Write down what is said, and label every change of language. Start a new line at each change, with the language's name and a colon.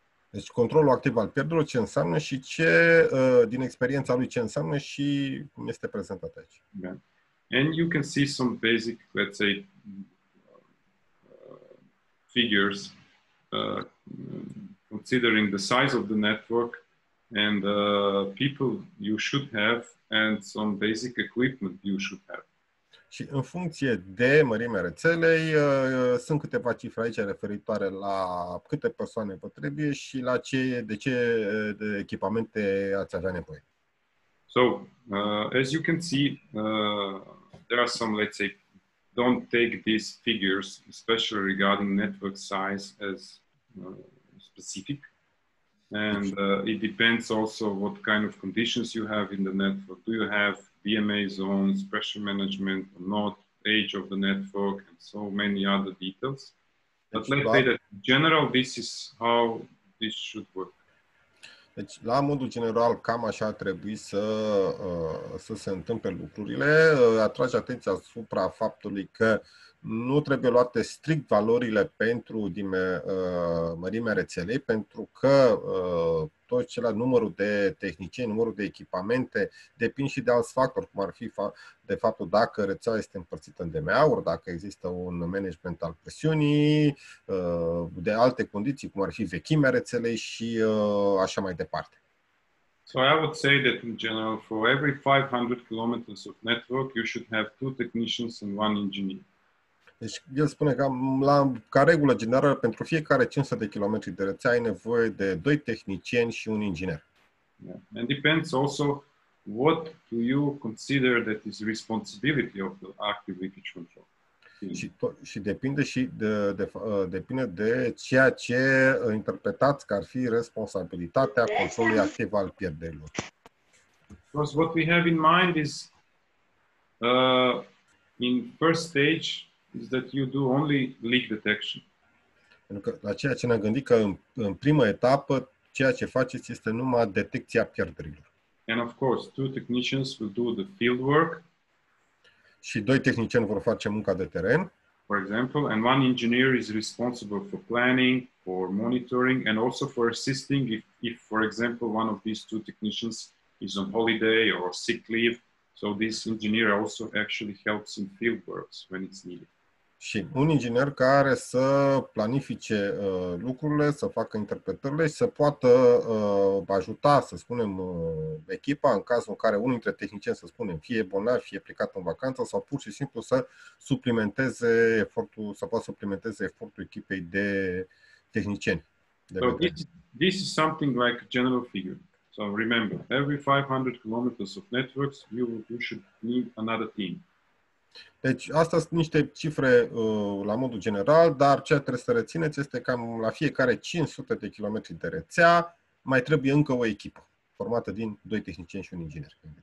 Romanian: Deci controlul activ al pierderilor, ce înseamnă și ce, din experiența lui, ce înseamnă și cum este prezentat aici.
English: Yeah. And you can see some basic, let's say, figures, considering the size of the network and people you should have and some basic equipment you should have.
Romanian: Și în funcție de mărimea rețelei, sunt câteva cifre aici referitoare la câte persoane vă trebuie și la de ce echipamente ați avea nevoie.
English: So, as you can see, there are some, let's say, don't take these figures, especially regarding network size, as specific. And it depends also what kind of conditions you have in the network. Do you have VMA zones, pressure management, not age of the network, and so many other details. But let's say that in general, this is how this should work.
Romanian: Deci, la modul general, cam așa ar trebui să se întâmple lucrurile. Atrage atenția asupra faptului că nu trebuie luate strict valorile pentru mărimea rețelei, pentru că tot cele numărul de tehnicieni, numărul de echipamente, depind și de alți factori, cum ar fi de faptul dacă rețeaua este împărțită în DMA-uri, dacă există un management al presiunii, de alte condiții, cum ar fi vechimea rețelei și așa mai departe.
English: So I would say that in general, for every 500 kilometers of network, you should have two technicians and one engineer.
Romanian: Deci el spune că ca regulă generală, pentru fiecare 500 de kilometri de rețea ai nevoie de doi tehnicieni și un inginer.
English: Yeah. And depends also what do you consider that is responsibility of the active leakage control.
Romanian: Și depinde și depinde de ceea ce interpretați că ar fi responsabilitatea controlului activ al pierderilor.
English: Because what we have in mind is in first stage is that you do only leak detection.
Romanian: Pentru că la ceea ce ne-am gândit că în prima etapă ceea ce faceți este numai detecția pierderilor.
English: And of course, two technicians will do the field work.
Romanian: Și doi tehnicieni vor face munca de teren.
English: For example, and one engineer is responsible for planning, for monitoring and also for assisting if for example one of these two technicians is on holiday or sick leave. So this engineer also actually helps in field works when it's needed.
Romanian: Și un inginer care să planifice lucrurile, să facă interpretările și să poată ajuta, să spunem, echipa în cazul în care unul dintre tehnicieni, să spunem, fie bolnav, fie plecat în vacanță sau pur și simplu să suplimenteze efortul, să poată suplimenteze efortul echipei de tehnicieni.
English: So this is something like a general figure. So remember, every 500 kilometers of networks, you should need another team.
Romanian: Deci, astea sunt niște cifre la modul general, dar ceea ce trebuie să rețineți este că la fiecare 500 de kilometri de rețea mai trebuie încă o echipă formată din doi tehnicieni și un inginer.